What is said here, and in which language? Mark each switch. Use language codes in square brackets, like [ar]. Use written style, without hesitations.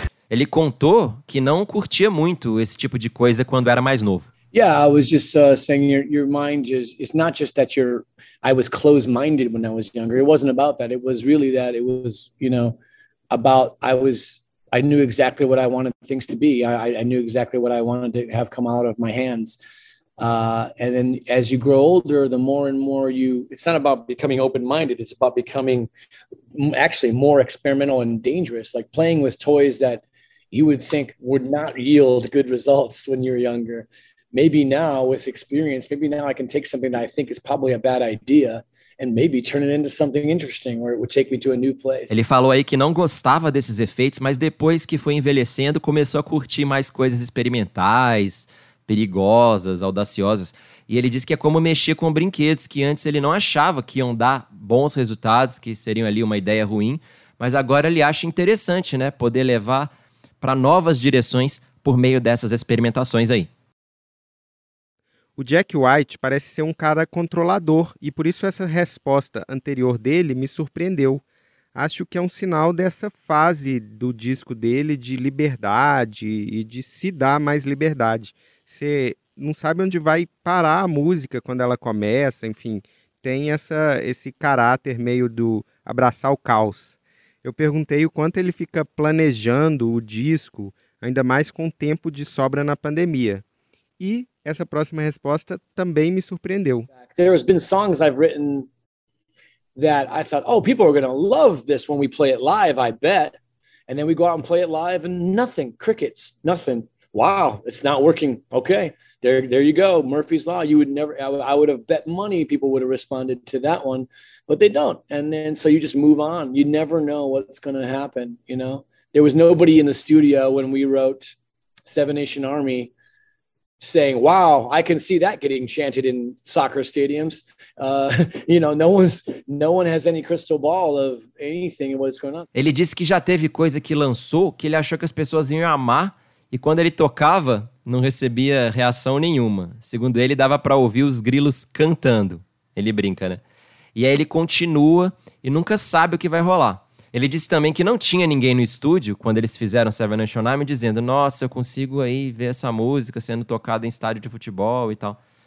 [pt] Ele contou que não curtia muito esse tipo de coisa quando era mais novo. [en] Yeah, I was just saying your mind is, it's not just that I was closed-minded when I was younger. It wasn't about that. It was really that it was, you know, about I knew exactly what I wanted things to be. I knew exactly what I wanted to have come out of my hands. And then as you grow older, the more and more it's not about becoming open-minded. It's about becoming actually more experimental and dangerous, like playing with toys that you would think would not yield good results when you're younger. Maybe now with experience, maybe now I can take something that I think is probably a bad idea and maybe turn it into something interesting or it would take me to a new place. [pt] Ele falou aí que não gostava desses efeitos, mas depois que foi envelhecendo, começou a curtir mais coisas experimentais, perigosas, audaciosas. E ele disse que é como mexer com brinquedos, que antes ele não achava que iam dar bons resultados, que seriam ali uma ideia ruim, mas agora ele acha interessante, né, poder levar para novas direções por meio dessas experimentações aí. O Jack White parece ser um cara controlador e por isso essa resposta anterior dele me surpreendeu. Acho que é um sinal dessa fase do disco dele de liberdade e de se dar mais liberdade. Você não sabe onde vai parar a música quando ela começa, enfim, tem esse caráter meio do abraçar o caos. Eu perguntei o quanto ele fica planejando o disco, ainda mais com tempo de sobra na pandemia. E essa próxima resposta também me surpreendeu. [en] There has been songs I've written that I thought, oh, people are going to love this when we play it live, I bet. And then we go out and play it live and nothing, crickets, nothing. Wow, it's not working. Okay, there you go. Murphy's Law, I would have bet money people would have responded to that one, but they don't. And then so you just move on. You never know what's going to happen, you know? There was nobody in the studio when we wrote Seven Nation Army saying, wow, I can see that getting chanted in soccer stadiums. You know, no one has any crystal ball of anything and what's going on. [pt] Ele disse que já teve coisa que lançou que ele achou que as pessoas iam amar e quando ele tocava, não recebia reação nenhuma. Segundo ele, dava para ouvir os grilos cantando. Ele brinca, né? E aí ele continua e nunca sabe o que vai rolar. Ele disse também que não tinha ninguém no estúdio quando eles fizeram Seven Nation Army, dizendo, nossa, eu consigo aí ver essa música sendo tocada em estádio de futebol e tal.